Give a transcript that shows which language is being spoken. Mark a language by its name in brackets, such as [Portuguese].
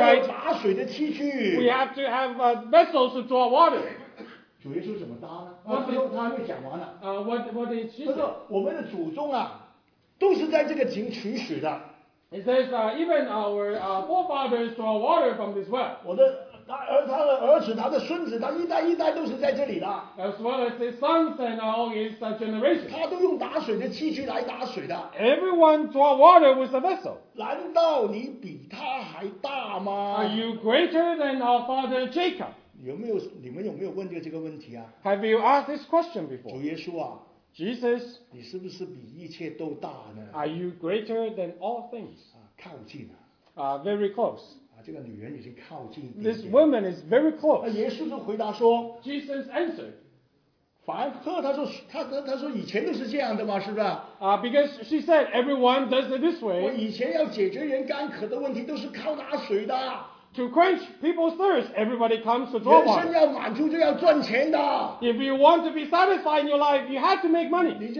[Chinese] 要有打水的器具, [English] we have to have vessels to draw water. [Chinese] 主耶稣怎么搭呢? [English] What he says, even our forefathers draw water from this well. [Chinese] 他的儿子他的孙子他一代一代都是在这里的, [English] as well as his sons and all his generations, [Chinese] 他都用打水的器具来打水的, [English] everyone draw water with a vessel. [Chinese] 难道你比他还大吗? [English] Are you greater than our father Jacob? [Chinese] 有没有, 你们有没有问过这个问题啊? [English] Have you asked this question before? [Chinese] 主耶稣啊, [English] Jesus, [Chinese] 你是不是比一切都大呢? [English] Are you greater than all things? [Chinese] 啊, 靠近啊, [English] very close. [Chinese] 这个女人已经靠近一点点, [English] this woman is very close. [Chinese] 耶稣就回答说, [English] Jesus answered, [Chinese] 反而他说以前都是这样的吗? 是不是? [English] Because she said, everyone does it this way. [Chinese] 我以前要解决人干渴的问题都是靠打水的, [English] to quench people's thirst, everybody comes to draw water. [Chinese] 人生要满足就要赚钱的, [English] if you want to be satisfied in your life, you have to make money.